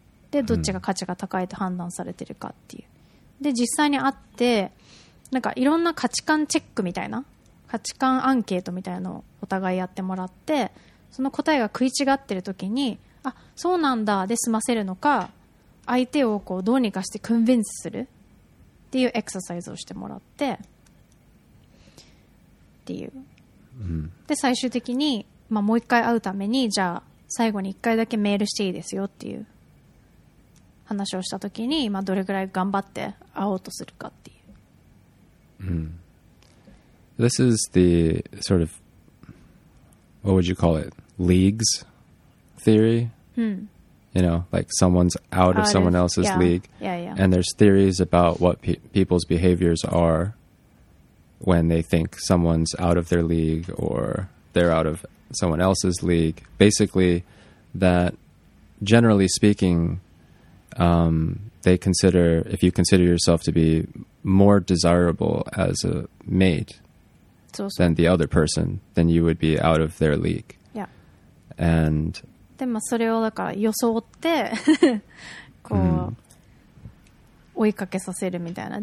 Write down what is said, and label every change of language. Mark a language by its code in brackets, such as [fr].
[ja] でどっちが価値が高いと判断されてるかっていう、で実際に会ってなんかいろんな価値観チェックみたいな価値観アンケートみたいなのをお互いやってもらって、その答えが食い違ってる時に、あそうなんだで済ませるのか、相手をこうどうにかしてコンビンスするっていうエクササイズをしてもらってっていう。で最終的に、まあ、もう一回会うためにじゃあ最後に一回だけメールしていいですよっていう話をした時に、まあ、どれぐらい頑張って会おうとするかっていう、 [en] This is the sort of what would you call it? Leagues theory?、You know, like someone's out of someone else's league. And there's theories about what people's behaviors are when they think someone's out of their league or they're out of someone else's league. Basically, that generally speaking, they consider, if you consider yourself to be more desirable as a mate than the other person, then you would be out of their league. Yeah. And... [ja] でまあ、それをだから装ってこう、追いかけさせるみたいな。